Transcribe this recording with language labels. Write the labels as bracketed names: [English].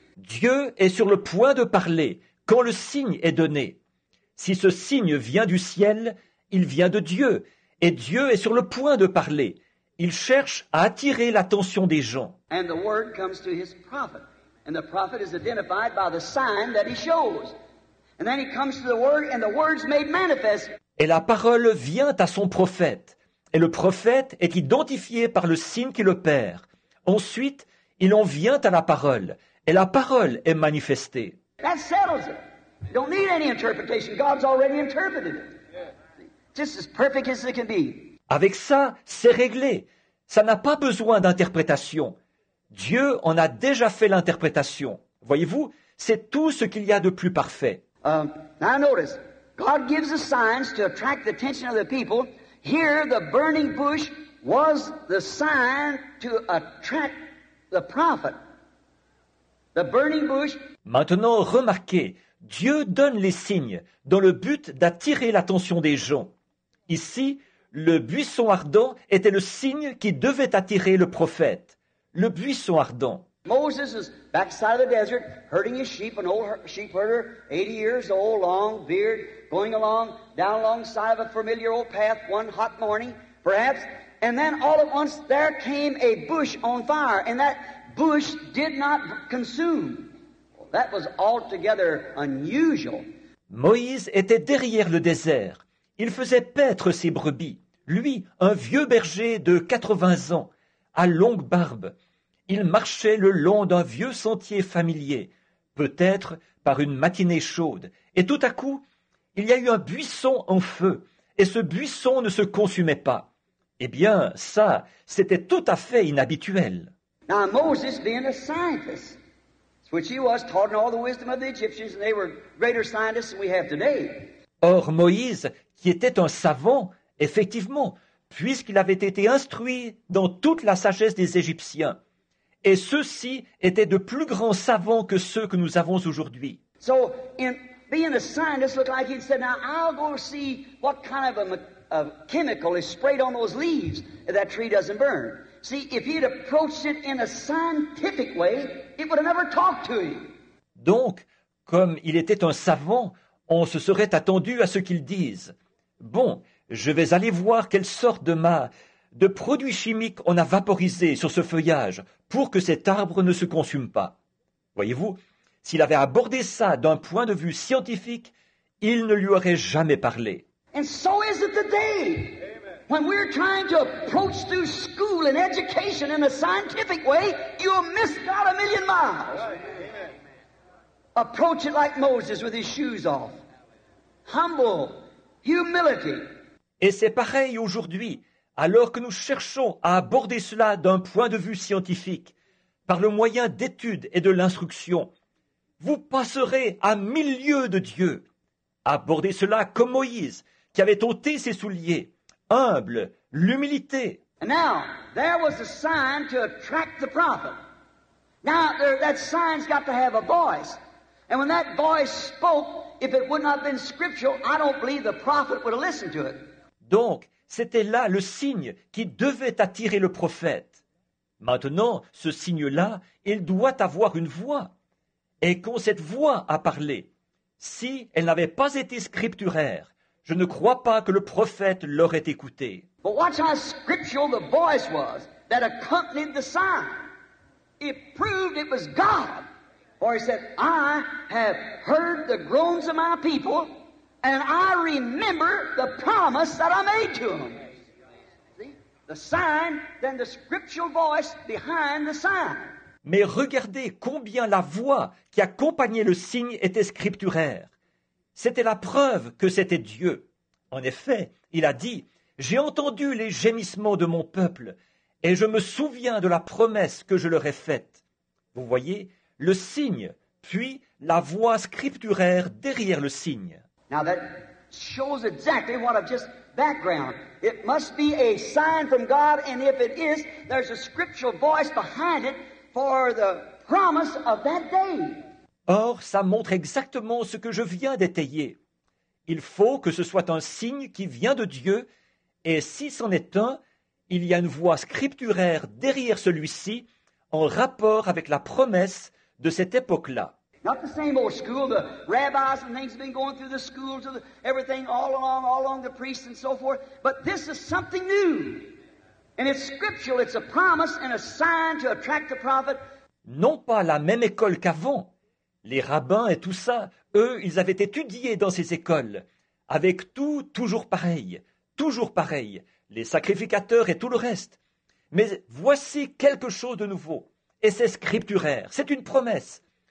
[French] Dieu est sur le point de parler quand le signe est donné. Si ce signe vient du ciel, il vient de Dieu, et Dieu est sur le point de parler. Il cherche à attirer l'attention des gens. [English] And the word comes to his prophet, and the prophet is identified by the sign that he shows. And then he comes to the word, and the word's made manifest. [French] Et la parole vient à son prophète, et le prophète est identifié par le signe qui le perd. Ensuite, il en vient à la parole, et la parole est manifestée. [English] That settles it. You don't need any interpretation. God's already interpreted it. Just as perfect as it can be. [French] Avec ça, c'est réglé. Ça n'a pas besoin d'interprétation. Dieu en a déjà fait l'interprétation. Voyez-vous, c'est tout ce qu'il y a de plus parfait. [English] Now notice, God gives the signs to attract the attention of the people. Here, the burning bush was the sign to attract the prophet. The burning bush. [French] Maintenant, remarquez, Dieu donne les signes dans le but d'attirer l'attention des gens. Ici, le buisson ardent était le signe qui devait attirer le prophète. Le buisson ardent. [English] Moses is backside of the desert, herding his sheep, an old sheep herder, 80 years old, long beard, going along, down alongside of a familiar old path one hot morning, perhaps. And then all at once there came a bush on fire, and that bush did not consume. That was altogether unusual. [French] Moïse était derrière le désert. Il faisait paître ses brebis. Lui, un vieux berger de 80 ans, à longue barbe. Il marchait le long d'un vieux sentier familier, peut-être par une matinée chaude. Et tout à coup, il y a eu un buisson en feu, et ce buisson ne se consumait pas. Eh bien, ça, c'était tout à fait inhabituel. [English] Now, Moses, being a scientist, which he was, taught in all the wisdom of the Egyptians, and they were greater scientists than we have today. [French] Or, Moïse, qui était un savant, effectivement, puisqu'il avait été instruit dans toute la sagesse des Égyptiens, et ceux-ci étaient de plus grands savants que ceux que nous avons aujourd'hui. [English] So, in being a scientist, looked like he said, now I'll go see what kind of a chemical is sprayed on those leaves if that tree doesn't burn. See, if he had approached it in a scientific way, it would have never talked to him. [French] Donc, Comme il était un savant, on se serait attendu à ce qu'il dise. « Bon, je vais aller voir quelle sorte de produits chimiques on a vaporisé sur ce feuillage pour que cet arbre ne se consume pas. » Voyez-vous, s'il avait abordé ça d'un point de vue scientifique, il ne lui aurait jamais parlé. [English] And so is it today. When we're trying to approach through school and education in a scientific way, you'll miss God a million miles. Approach it like Moses with his shoes off. Humble, humility. [French] Et c'est pareil aujourd'hui, alors que nous cherchons à aborder cela d'un point de vue scientifique, par le moyen d'études et de l'instruction. Vous passerez à mille lieues de Dieu. Abordez cela comme Moïse, qui avait ôté ses souliers. Humble, l'humilité. [English] And now, there was a sign to attract the prophet. Now, that sign's got to have a voice. And when that voice spoke, if it would not have been scriptural, I don't believe the prophet would have listened to it. [French] Donc, c'était là le signe qui devait attirer le prophète. Maintenant, ce signe-là, il doit avoir une voix. Et quand cette voix a parlé, si elle n'avait pas été scripturaire, je ne crois pas que le prophète l'aurait écouté. [English] But watch how scriptural the voice was that accompanied the sign. It proved it was God. For he said, I have heard the groans of my people, and I remember the promise that I made to them. See? The sign, then the scriptural voice behind the sign. [French] Mais regardez combien la voix qui accompagnait le signe était scripturaire. C'était la preuve que c'était Dieu. En effet, il a dit, « J'ai entendu les gémissements de mon peuple et je me souviens de la promesse que je leur ai faite. » Vous voyez, le signe, puis la voix scripturaire derrière le signe. [English] Now that shows exactly what I've just background. It must be a sign from God, and if it is, there's a scriptural voice behind it for the promise of that day. [French] Or, ça montre exactement ce que je viens d'étayer. Il faut que ce soit un signe qui vient de Dieu, et si c'en est un, il y a une voix scripturaire derrière celui-ci en rapport avec la promesse de cette époque-là. [English] Not the same old school, the rabbis and things have been going through the schools and everything all along the priests and so forth, but this is something new. And it's scriptural, it's a promise and a sign to attract the prophet. [French] Non pas la même école qu'avant. Les rabbins et tout ça, eux, ils avaient étudié dans ces écoles, avec tout toujours pareil, les sacrificateurs et tout le reste. Mais voici quelque chose de nouveau, et c'est scripturaire, c'est une promesse.